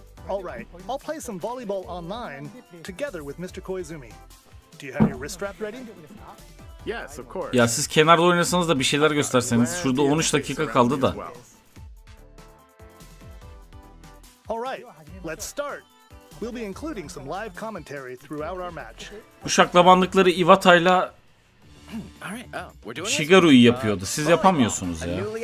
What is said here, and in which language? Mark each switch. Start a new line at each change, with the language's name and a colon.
English: All right, I'll play some volleyball online together with Mr. Koizumi. Do you have your wrist strap ready? Yes, of course.
Turkish: Ya siz kenarda oynasanız da bir şeyler gösterseniz. Şurada 13 dakika kaldı da.
English: All right, let's start. We'll be including some live commentary throughout our match.
Turkish: Bu şaklabanlıkları Iwata'yla Shigaru'yu yapıyordu. Siz yapamıyorsunuz ya.